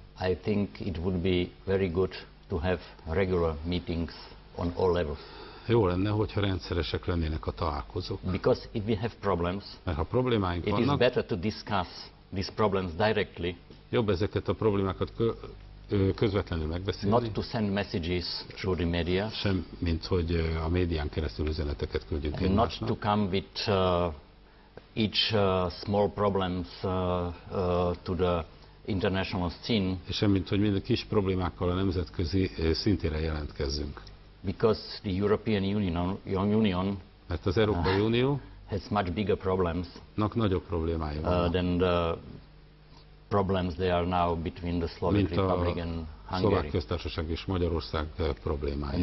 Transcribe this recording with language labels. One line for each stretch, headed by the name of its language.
English: I think it would be very good to have regular meetings on all levels.
Hungarian: Jó lenne, hogyha rendszeresek lennének a találkozók.
English: Because if we have problems,
Hungarian: mert ha problémáink
English: it
Hungarian: vannak,
English: is better to discuss these problems directly.
Hungarian: Jobb ezeket a problémákat közvetlenül megbeszélni.
English: Not to send messages through the media.
Hungarian: Sem, mint hogy a médián keresztül üzeneteket küldjünk egymásnak.
English: Not to come with each small problems to the international scene.
Hungarian: És sem, mint hogy minden kis problémákkal a nemzetközi szintére jelentkezzünk.
English: Because the European Union
Hungarian: mert az Európai Unió
English: has much bigger problems
Hungarian: nagyobb problémái vannak,
English: than the problems they are now between the Slovak Republic and Hungary.
Hungarian: Szlovák köztársaság és Magyarország problémái.